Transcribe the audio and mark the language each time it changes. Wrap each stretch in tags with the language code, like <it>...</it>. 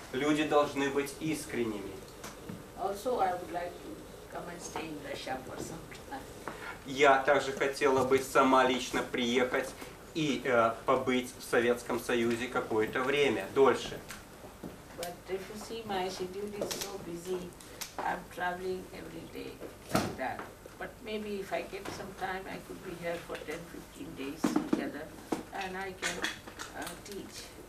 <ru>Люди должны быть искренними.</ru> <en>Also, I would like to come and stay in Russia for some time.</en> <ru>Я также хотела бы сама лично приехать и побыть в Советском Союзе какое-то время, дольше.</ru> <en>But if you see, my schedule is so busy. I'm traveling every day like that. But maybe if I get some time, I could be here for 10-15 days together, and I can teach.</en>